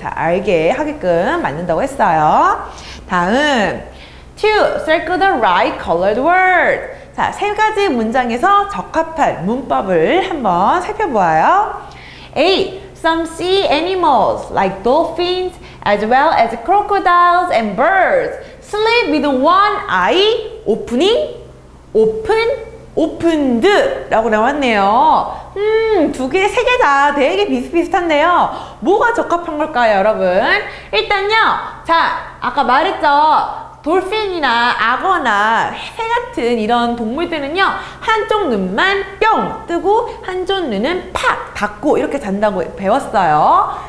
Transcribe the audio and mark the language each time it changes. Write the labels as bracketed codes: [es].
[ko] 자, 알게 하게끔 만든다고 했어요. [en] 다음. Two. Circle the right colored word. [ko] 자, 세 가지 문장에서 적합한 문법을 한번 살펴보아요. [en] A. Some sea animals like dolphins as well as crocodiles and birds sleep with one eye opening, open, opened [ko] 라고 나왔네요. 두 개, 세 개 다 되게 비슷비슷한데요. 뭐가 적합한 걸까요, 여러분? 일단요, 자, 아까 말했죠. 돌핀이나 악어나 새 같은 이런 동물들은요, 한쪽 눈만 뿅! 뜨고, 한쪽 눈은 팍! 닫고, 이렇게 잔다고 배웠어요.